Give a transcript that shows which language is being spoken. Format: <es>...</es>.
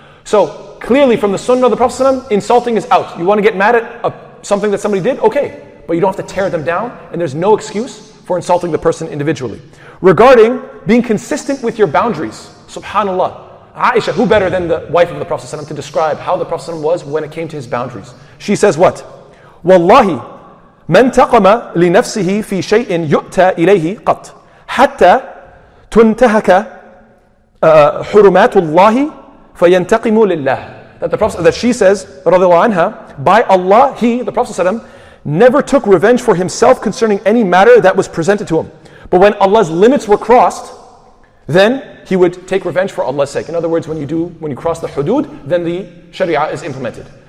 <en>So clearly from the sunnah of the Prophet ﷺ, insulting is out. You want to get mad at something that somebody did? Okay. But you don't have to tear them down. And there's no excuse for insulting the person individually. Regarding being consistent with your boundaries, subhanAllah, Aisha, who better than the wife of the Prophet ﷺ to describe how the Prophet ﷺ was when it came to his boundaries? She says what? Wallahi,</en> <ar>من تقم لنفسه في شيء يؤتى إليه قط حتى تنتهك حرمات الله فينتقم لله.</ar> <en>That the Prophet, that she says, رضي الله عنها, by Allah, he, the Prophet said, never took revenge for himself concerning any matter that was presented to him. But when Allah's limits were crossed, then he would take revenge for Allah's sake. In other words, when you cross the hudud, then the sharia is implemented.</en>